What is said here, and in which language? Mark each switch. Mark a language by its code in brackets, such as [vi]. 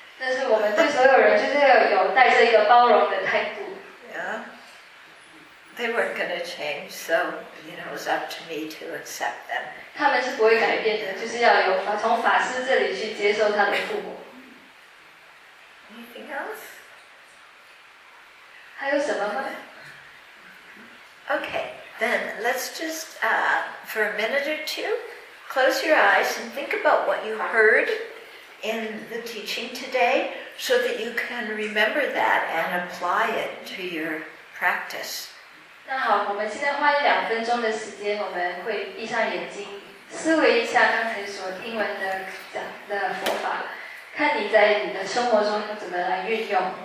[zh] 但是我们对所有人就是要有带着一个包容的态度。 [en] Yeah, they weren't going to change, so you know it was up to me to accept them. [zh] 他们是不会改变的，就是要有从法师这里去接受他的父母。 [en] Anything else? [zh] 还有什么吗？ [en] Okay, then let's just for a minute or two. Close your eyes and think about what you heard in the teaching today so that you can remember that and apply it to your practice. [zh] 那好，我们现在花一两分钟的时间，我们会闭上眼睛，思维一下刚才所听闻的讲的佛法，看你在你的生活中怎么来运用。